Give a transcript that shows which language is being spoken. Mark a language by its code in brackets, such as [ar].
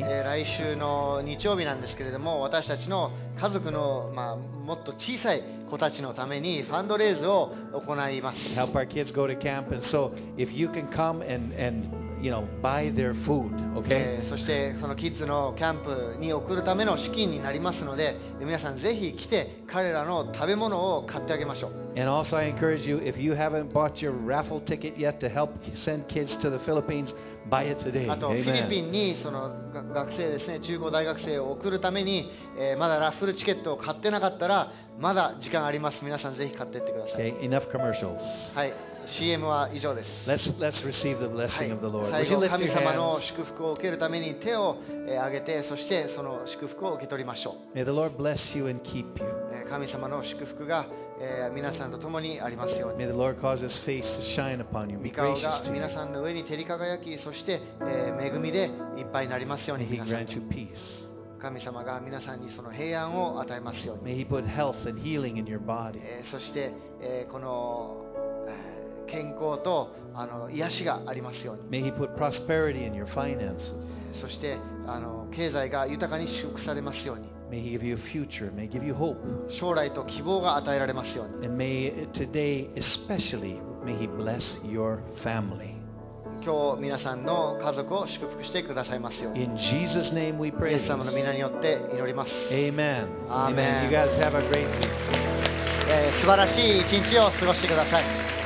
[ja] 来週の日曜日なんですけれども、私たちの家族の、まあ、もっと小さい子たちのためにファンドレーズを行います。 [en] Help our kids go to camp, and so if you can come and you know, buy their food, okay? [ja] そしてそのキッズのキャンプに送るための資金になりますので、皆さんぜひ来て彼らの食べ物を買ってあげましょう。 [en] And also I encourage you, if you haven't bought your raffle ticket yet to help send kids to the Philippines, buy it today. [ja] あとフィリピンにその学生ですね、中高大学生を送るために、まだラッフルチケットを買ってなかったら、まだ時間あります。皆さんぜひ買ってってください。 [en] Okay, enough commercials. [ja] はい。CM は以上です。 [en] Let's receive the blessing of the Lord. [ja] 最後、神様の祝福を受けるために手を挙げて、そしてその祝福を受け取りましょう。 [en] May the Lord bless you and keep you. [ja] 神様の祝福が皆さんと共にありますように。 [en] May the Lord cause His face to shine upon you. 御 [ja] 顔が皆さんの上に照り輝き、そして恵みでいっぱいになりますように。 [en] May He grant you peace. [ja] 神様が皆さんにその平安を与えますように。 [en] May He put health and healing in your body. [ja] そして、この健康と癒しがありますように。 [en] May He put prosperity in your finances. [ja] そして、経済が豊かに祝福されますように。 [en] May He give you future. May He give you hope. [ja] 将来と希望が与えられますように。 [en] And may today especially, may He bless your family. [ja] 今日皆さんの家族を祝福してくださいますように。 [en] In Jesus' name we pray. [ja] イエス様の名によって祈ります。 [en] Amen. Amen. You guys have a great week. [ja] 素晴らしい一日を過ごしてください。